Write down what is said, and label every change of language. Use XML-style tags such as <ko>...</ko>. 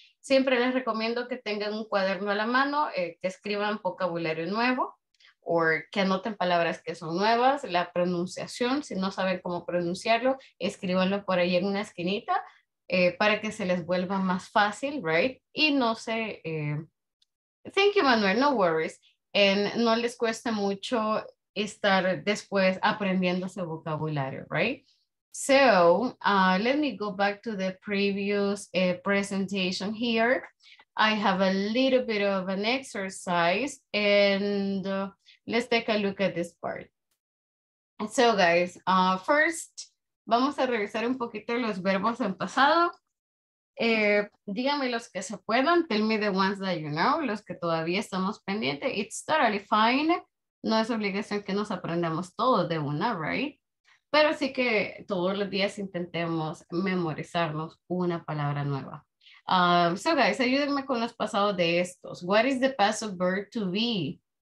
<es>Siempre les recomiendo que tengan un cuaderno a la mano, que escriban vocabulario nuevo, o que anoten palabras que son nuevas, la pronunciación, si no saben cómo pronunciarlo, escríbanlo por ahí en una esquinita, para que se les vuelva más fácil, right? Y no se...</es> <en>Thank you, Manuel, no worries.</en> <es>No les cuesta mucho estar después aprendiendo ese vocabulario, right?</es> <en>So, let me go back to the previous presentation here. I have a little bit of an exercise and let's take a look at this part.</en> <es>So guys, first, vamos a revisar un poquito los verbos en pasado. Díganme los que se puedan,</es> <en>tell me the ones that you know,</en> <es>los que todavía estamos pendientes, it's totally fine, no es obligación que nos aprendamos todo de una, right? Pero sí que todos los días intentemos memorizarnos una palabra nueva. So guys, ayúdenme con los pasados de estos.</es> <en>What is the past of verb to be?</en>